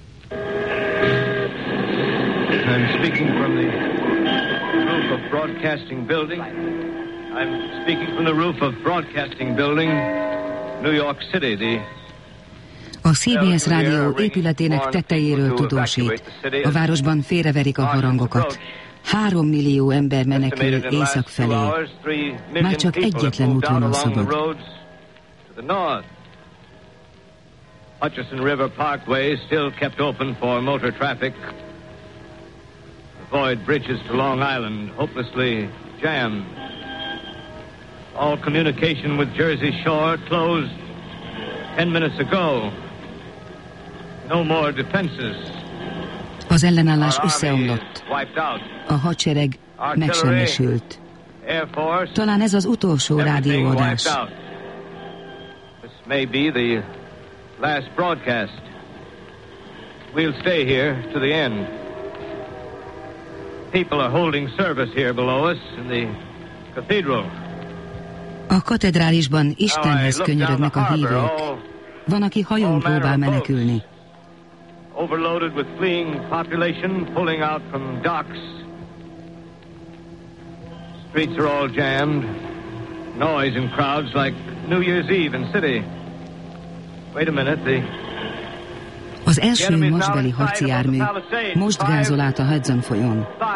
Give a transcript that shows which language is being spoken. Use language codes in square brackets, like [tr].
[en] I'm speaking from the roof of Broadcasting Building. I'm speaking from the roof of Broadcasting Building, New York City. The [hu] A CBS rádió épületének tetejéről tudósít. A városban félreverik a harangokat. 3 millió ember menekül észak felé. Már csak egyetlen útvonal szabad. [en] Hutchinson River Parkway still kept open for motor traffic. Void bridges to Long Island, hopelessly jammed. All communication with Jersey Shore closed 10 minutes ago. No more defenses. [hu] Az ellenállás összeomlott. A hadsereg megsemmisült. Talán ez az utolsó rádióadás. [en] This may be the last broadcast. We'll stay here to the end. People are holding service here below us in the cathedral. [hu] A katedrálisban Istenhez könyörögnek a hívők. Van, aki hajón próbál menekülni. [en] Overloaded with fleeing population, pulling out from docks. Streets are all jammed. Noise and crowds like New Year's Eve in city. Wait a minute, the... [hu] Az első mosbeli harci jármű most gázol át a Hudson folyón.